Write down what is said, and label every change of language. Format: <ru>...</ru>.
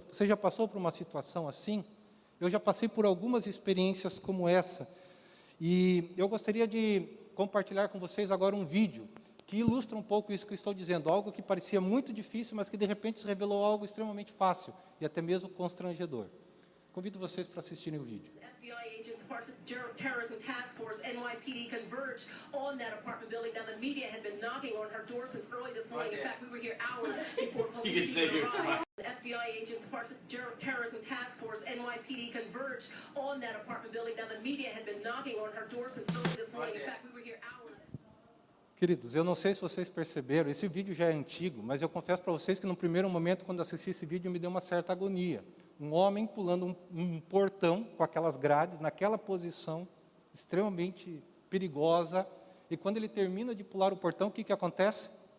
<pt>Você já passou por uma situação assim? Eu já passei por algumas experiências como essa. E eu gostaria de compartilhar com vocês agora um vídeo que ilustra um pouco isso que eu estou dizendo. Algo que parecia muito difícil, mas que de repente se revelou algo extremamente fácil e até mesmo constrangedor. Convido vocês para assistirem o vídeo.</pt> <en>Parts of terrorism task force NYPD converged on that apartment building. Now the media had been knocking on her door since early this morning. In fact, we were here hours before police arrived. FBI agents, parts of terrorism task force NYPD converged on that apartment building. Now the media had been knocking on her door since early this morning. In fact, we were here hours.</en> <pt>Queridos, eu não sei se vocês perceberam, esse vídeo já é antigo, mas eu confesso para vocês que no primeiro momento, quando assisti esse vídeo, me deu uma certa agonia. Um homem pulando um portão com aquelas grades, naquela posição extremamente perigosa, e quando ele termina de pular o portão, o que acontece?</pt>